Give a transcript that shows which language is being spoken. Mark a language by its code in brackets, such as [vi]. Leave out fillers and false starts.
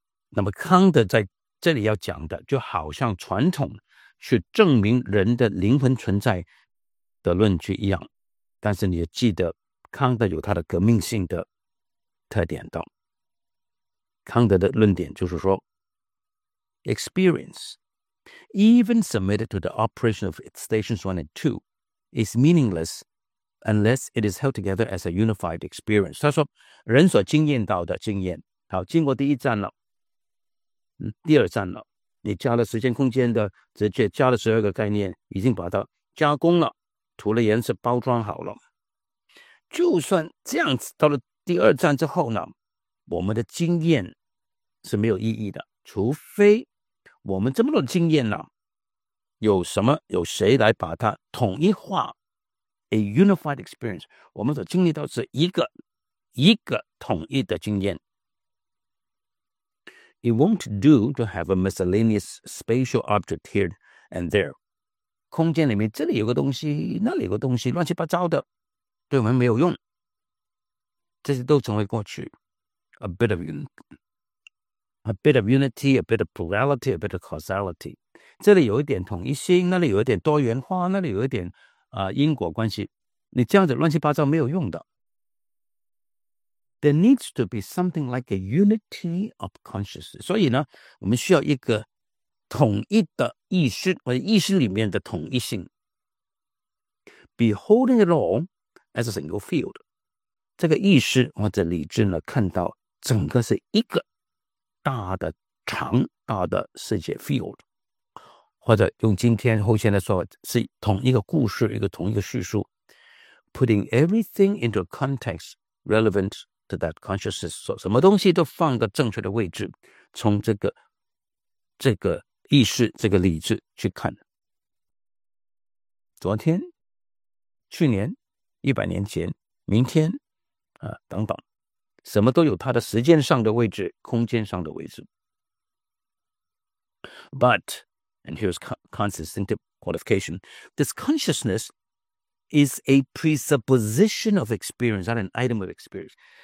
[zh] 那么康德在这里要讲的，就好像传统去证明人的灵魂存在的论据一样，但是你也记得康德有他的革命性的特点的。康德的论点就是说 [en] experience even submitted to the operation of stations 1 and 2 is meaningless unless it is held together as a unified experience. [zh] 他说人所经验到的经验，好，经过第一站了，第二站了，你加了时间空间的直接加了十二个概念，已经把它加工了，涂了颜色，包装好了，就算这样子到了第二站之后呢，我们的经验是没有意义的，除非我们这么多经验呢，有什么有谁来把它统一化 [en] a unified experience， [zh] 我们所经历到是一个统一的经验。 [en] It won't do to have a miscellaneous spatial object here and there. [zh] 空间里面这里有个东西，那里有个东西，乱七八糟的，对我们没有用。这些都成为过去。 [en] A bit of unity, a bit of plurality, a bit of causality. [zh] 这里有一点统一性，那里有一点多元化，那里有一点因果关系。你这样子乱七八糟没有用的。 [en] There needs to be something like a unity of consciousness. [zh] 所以呢，我们需要一个统一的意识，或者意识里面的统一性。 [en] Beholding it all as a single field. [zh] 这个意识或者理智呢，看到整个是一个大的长大的世界 field， 或者用今天后现代说是同一个故事，一个同一个叙述。 [en] Putting everything into context relevant. To that consciousness, [zh] 说什么东西都放个正确的位置，从这个意识、这个理智去看。昨天、去年、一百年前、明天，等等，什么都有它的时间上的位置、空间上的位置。 [en] But, and here's Kant's distinctive qualification, this consciousness is a presupposition of experience, not an item of experience.